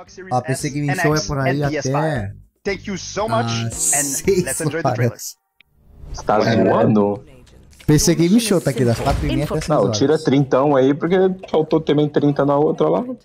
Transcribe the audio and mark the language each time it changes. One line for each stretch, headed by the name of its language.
Portuguese: Ah, pensei que me show é por aí até.
English: Thank you so much and let's enjoy the trailers.
Portuguese: Você tá zoando? PC Game Show tá aqui, das 4 e meia até 6 horas. Não, tira 30 aí, porque faltou também 30 na outra lá.